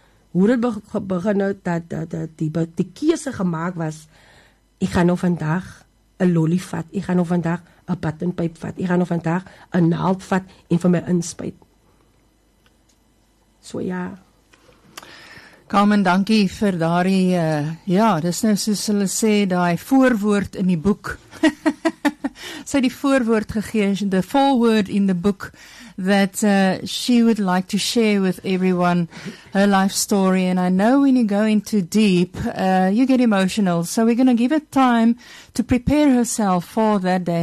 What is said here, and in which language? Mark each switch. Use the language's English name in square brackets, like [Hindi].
[Afrikaans] Hoe dit begin het, dat die keuse gemaakt was, ek gaan nou vandag een lolly vat, ek gaan nou vandag een buttonpyp vat, ek gaan nou vandag een naald vat en vir my inspuit. So ja. Carmen, dankie vir daardie ja, dis nou soos hulle sê daai voorwoord in die boek. Sy die voorwoord gegee, [English] the foreword in the book that she would like to share with everyone her life story. And I know when you go into deep, you get emotional. So we're going to give it time to prepare herself for that day.